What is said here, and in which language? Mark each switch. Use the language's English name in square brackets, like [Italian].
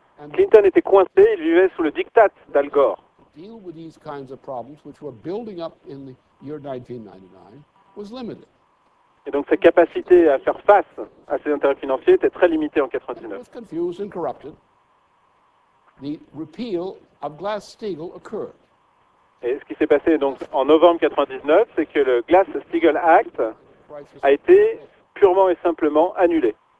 [French] Clinton était coincé, il vivait sous le diktat d'Al Gore. [English] Deal with these kinds of problems which were building up in the year 1999 was limited. [French] Et donc sa capacité à faire face à ses intérêts financiers était très limitée en 99. [English] It was confused and corrupted. The repeal of Glass-Steagall occurred. [French] Et ce qui s'est passé donc en novembre 99, c'est que le Glass-Steagall Act a été purement et simplement annulé.